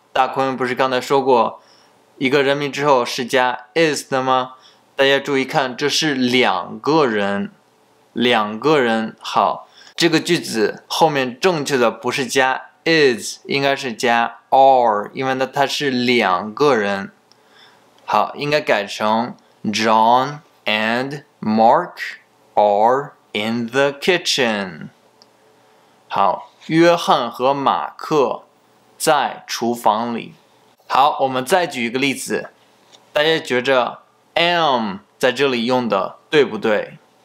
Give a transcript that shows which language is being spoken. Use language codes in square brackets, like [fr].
[zh] 大坤不是刚才说过，一个人名之后是加 is 的吗？大家注意看，这是两个人，两个人。好，这个句子后面正确的不是加 is， 应该是加 are， 因为呢它是两个人。好，应该改成 [en] John and Mark are in the kitchen。 [zh] 好，约翰和马克在厨房里。好，我们再举一个例子，大家觉着am 在这里用的对不对？